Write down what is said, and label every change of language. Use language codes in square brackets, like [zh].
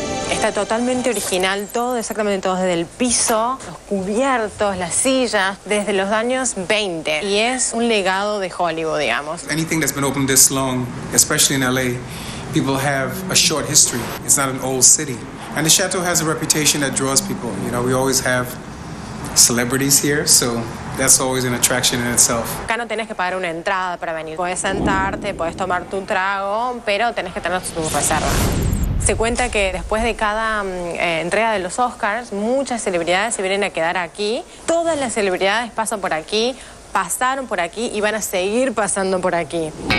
[es] Está totalmente original, todo exactamente, todo desde el piso, los cubiertos, las sillas, desde los años 20. Y es un legado de Hollywood, digamos. [en] Anything that's been open this long, especially in LA, people have a short history. It's not an old city. And the Chateau has a reputation that draws people. You know, we always have celebrities here, so that's always an attraction in itself. [es] Acá no tenés que pagar una entrada para venir. Puedes sentarte, puedes tomar tu trago, pero tenés que tener tu reserva. Se cuenta que después de cada entrega de los Oscars, muchas celebridades se vienen a quedar aquí. Todas las celebridades pasan por aquí, pasaron por aquí y van a seguir pasando por aquí.